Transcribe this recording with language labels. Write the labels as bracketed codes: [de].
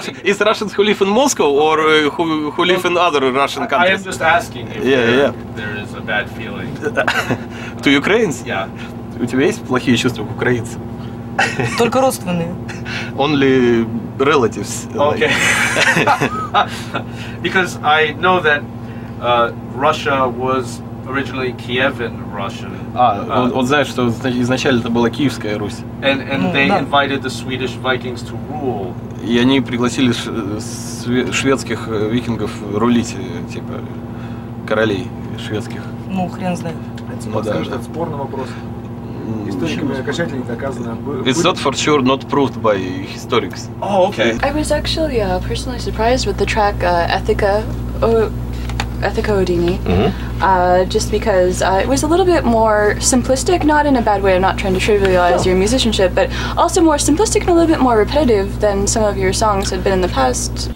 [en] is Russians who live in Moscow or who live in other Russian countries? I am just asking if there is a bad feeling. To Ukrainians? Yeah. [ru] У тебя есть плохие чувства к украинцам? Только родственные. [en] Only relatives. Okay. Because I know that Russia was originally Kievan Russian. [ru] Он знает, что изначально это была Киевская Русь. [en] And they invited the Swedish Vikings to rule. [ru] И они пригласили шведских викингов рулить, типа, королей шведских. Ну, хрен знает. Это спорный вопрос. [en] It's not for sure, not proved by historians. Oh, okay. I was actually personally surprised with the track Ethica Odini. Mm-hmm. Just because it was a little bit more simplistic, not in a bad way, I'm not trying to trivialize your musicianship, but also more simplistic and a little bit more repetitive than some of your songs had been in the past.